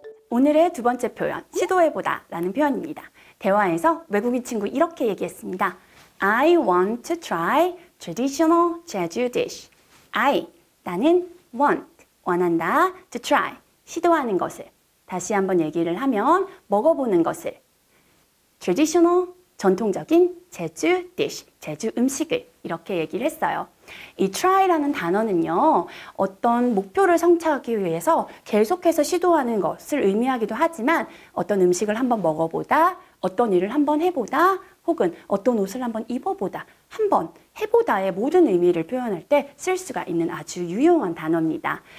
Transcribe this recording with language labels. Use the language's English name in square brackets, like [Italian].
[Korean] 오늘의 두 번째 표현, 시도해보다 라는 표현입니다. 대화에서 외국인 친구 이렇게 얘기했습니다. [English] I want to try traditional Jeju dish. [Korean] I, 나는 want, 원한다, to try, 시도하는 것을. 다시 한번 얘기를 하면 먹어보는 것을. Traditional, 전통적인 제주 dish, 제주 음식을 이렇게 얘기를 했어요. 이 try라는 단어는요, 어떤 목표를 성취하기 위해서 계속해서 시도하는 것을 의미하기도 하지만 어떤 음식을 한번 먹어보다, 어떤 일을 한번 해보다, 혹은 어떤 옷을 한번 입어보다, 한번 해보다의 모든 의미를 표현할 때 쓸 수가 있는 아주 유용한 단어입니다.